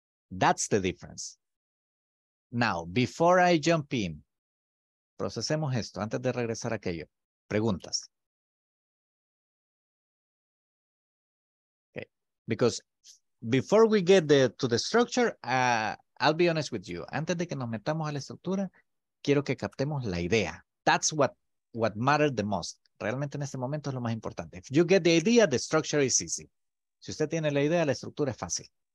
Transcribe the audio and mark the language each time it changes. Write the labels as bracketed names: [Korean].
[English] That's the difference. Now, before I jump in, [Spanish] procesemos esto antes de regresar a aquello. Preguntas. [English] Okay. Because before we get to the structure, I'll be honest with you. [Spanish] Antes de que nos metamos a la estructura, quiero que captemos la idea. [English] That's what matters the most. [Spanish] Realmente en este momento es lo más importante. [English] If you get the idea, the structure is easy. [Spanish] Si usted tiene la idea, la estructura es fácil.